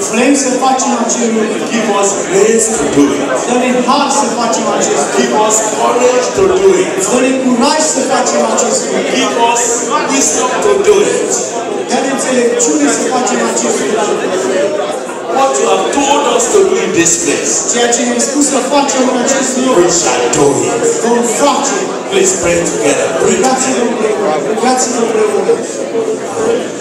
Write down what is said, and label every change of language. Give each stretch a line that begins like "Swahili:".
Romanian: Vrem să facem acest lucru.
English: Give us grace to do it.
Romanian: Dă-ne har să facem acest lucru.
English: Give us courage to do it.
Romanian: Dă-ne curaj să facem acest lucru.
English: Give us wisdom to do it.
Romanian: Dă-ne înțelepciune să facem acest lucru.
English: What you have told us to do in this place.
Romanian: Ceea ce ne-ai spus să facem în acest loc.
English: We shall do it.
Romanian: Vom face.
English: Please pray together.
Romanian: Rugați-vă împreună. Rugați-vă împreună.